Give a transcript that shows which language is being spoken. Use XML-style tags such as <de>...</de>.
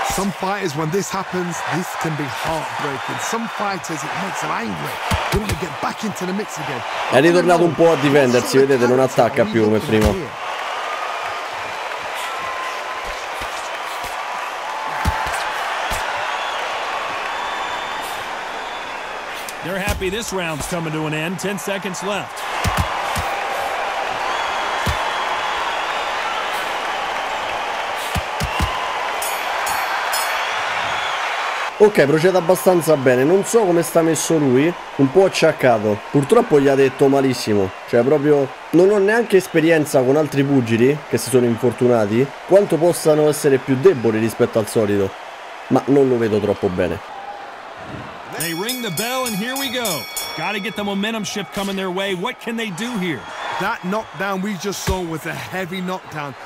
<en>Some fighters, when this happens, this can be heartbreaking. Some fighters, it makes them angry. They want to get back into the mix again.</en> <it>È ritornato un po' a difendersi, vedete, non attacca più come prima.</it> <en>They're happy this round's coming to an end. 10 seconds left.</en> <it>Ok, procede abbastanza bene. Non so come sta messo lui. Un po' acciaccato. Purtroppo gli ha detto malissimo. Cioè, proprio. Non ho neanche esperienza con altri pugili che si sono infortunati. Quanto possano essere più deboli rispetto al solito. Ma non lo vedo troppo bene.</it> <en>They ring the bell and here we go. Gotta get the momentum shift coming their way. What can they do here? That knockdown we just saw was a heavy knockdown.</en>